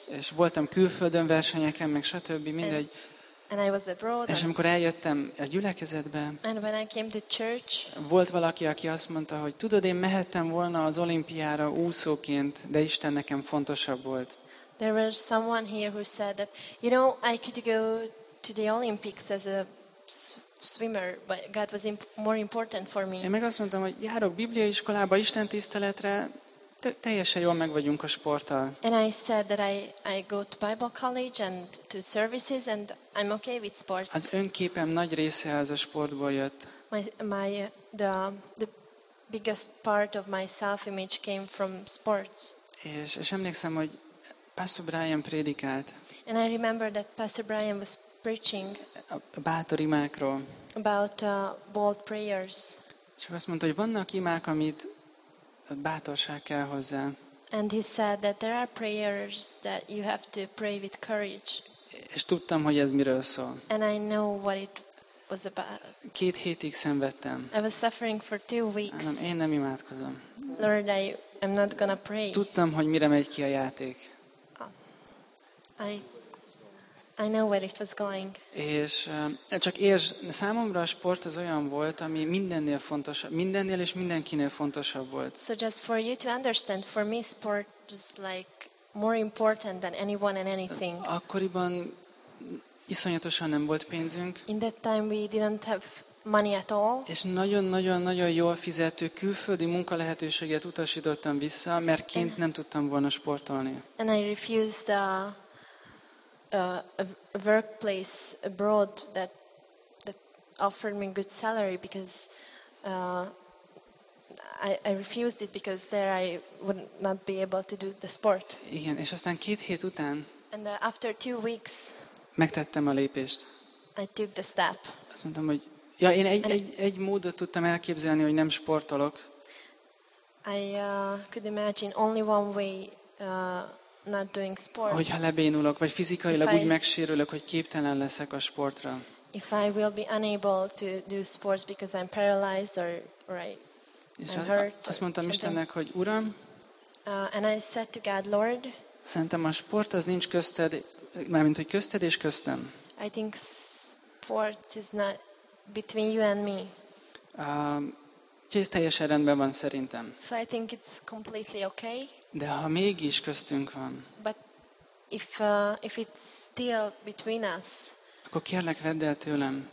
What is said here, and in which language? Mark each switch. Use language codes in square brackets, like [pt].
[hu] És voltam külföldön versenyeken, meg stb. Mindegy. [en] And I was abroad. [hu] És amikor eljöttem a gyülekezetbe, [en] and when I came to church, [hu] volt valaki, aki azt mondta, hogy tudod, én mehettem volna az olimpiára úszóként, de Isten nekem fontosabb volt. [en] There was someone here who said that, you know, I could go to the Olympics as a swimmer, but God was more important for me. [hu] Én meg azt mondtam, hogy járok bibliai iskolába, Isten tiszteletre, teljesen jól meg vagyunk a sporttal. [en] And I said that I go to Bible college and to services and I'm okay with sports. [hu] Az önképem nagy része az a sportból jött. [en] The biggest part of my self-image came from sports. [hu] És emlékszem, hogy Pastor Brian prédikált. [en] And I remember that Pastor Brian was preaching [hu] a bátor imákról. [en] About bold prayers. [hu] Csak azt mondta, hogy vannak imák, amit bátorság kell hozzá. [en] And he said that there are prayers that you have to pray with courage. [hu] És tudtam, hogy ez miről szól. [en] And I know what it was about. [hu] 2 hétig szenvedtem. [en] I was suffering for 2 weeks. [hu] Nem, én nem imádkozom. [en] Lord, I'm not gonna pray. [hu] Tudtam, hogy mire megy ki a játék. [en] I know where it was going. [hu] És csak számomra a sport az olyan volt, ami mindennél fontosabb, mindennél és mindenkinél fontosabb volt. [en] So just for you to understand, for me sport is like more important than anyone and anything. [hu] Akkoriban iszonyatosan nem volt pénzünk. [en] In that time we didn't have money at all. [hu] És nagyon-nagyon-nagyon jól fizető külföldi munkalehetőséget utasítottam vissza, mert kint nem tudtam volna sportolni. [en] And I refused a workplace abroad that offered me good salary because I refused it because there I would not be able to do the sport. [hu] Igen, és aztán két hét után. [en] And after 2 weeks. [hu] Megtettem a lépést. [en] I took the step. [hu] Azt mondtam, hogy ja, én egy módot tudtam elképzelni, hogy nem sportolok. [en] I could imagine only one way not doing sport. [hu] Hogyha lebénulok, vagy fizikailag úgy megsérülök, hogy képtelen leszek a sportra. [en] If I will be unable to do sports because I'm paralyzed or right. [hu] És azt mondtam Istennek, hogy Uram, [en] and I said to God, Lord, [hu] szerintem a sport az nincs közted, mármint, hogy közted és köztem. [en] I think sport is not between you and me. [hu] Ez teljesen rendben van szerintem. [en] So I think it's completely okay. [hu] De ha mégis köztünk van, [en] but if it's still between us, [hu] akkor kérlek, vedd el tőlem,